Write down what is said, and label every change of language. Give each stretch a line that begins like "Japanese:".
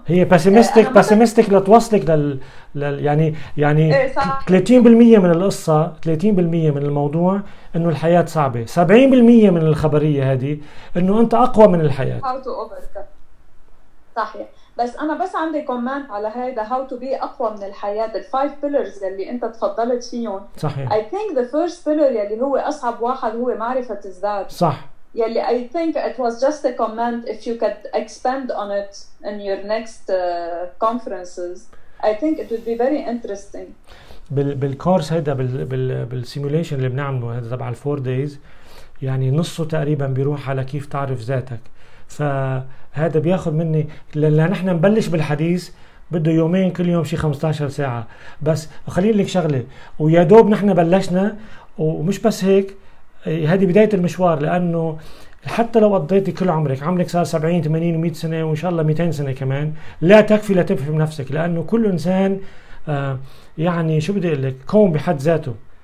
Arabic: هي بسمستك بسمستك لتوصلك يعني 30% من القصه، 30% من الموضوع انه الحياه صعبه، 70% من الخبريه هذه انه انت اقوى من الحياه. صحيح، بس انا بس عندي كومنت على هذا
English: how to be
Arabic: اقوى من الحياة، الفايف بيلرز اللي انت تفضلت فيهم. صحيح.
English: I think the first pillar
Arabic: يلي هو اصعب واحد هو معرفة الذات. صح. يلي
English: I think it was just a comment if you could expand on it in your next conferences I think it would be very interesting.
Arabic: بالكورس هذا بالسيموليشن اللي بنعمله هذا تبع الفور دايز يعني نصه تقريبا بيروح على كيف تعرف ذاتك، فهذا بياخذ مني لنحن نبلش بالحديث بده يومين كل يوم شي 15 ساعة بس. خليني لك شغلة، ويا دوب نحن بلشنا، ومش بس هيك هذه بداية المشوار، لأنه حتى لو قضيتي كل عمرك، عمرك صار 70 80 100 سنة وإن شاء الله 200 سنة كمان، لا تكفي لتفهم نفسك، لأنه كل إنسان يعني شو بدي أقول لك كون بحد ذاته،